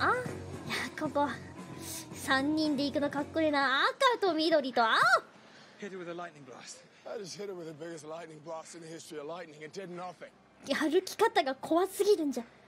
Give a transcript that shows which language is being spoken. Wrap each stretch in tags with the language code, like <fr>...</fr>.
<ja>あ、いや、ここ3人で行くのかっこいいな。赤と緑と青。</ja> <en>Hit it with a lightning blast. I just hit it with the biggest lightning blast in the history of lightning. It did nothing.</en> <ja>歩き方が怖すぎるんじゃ。</ja>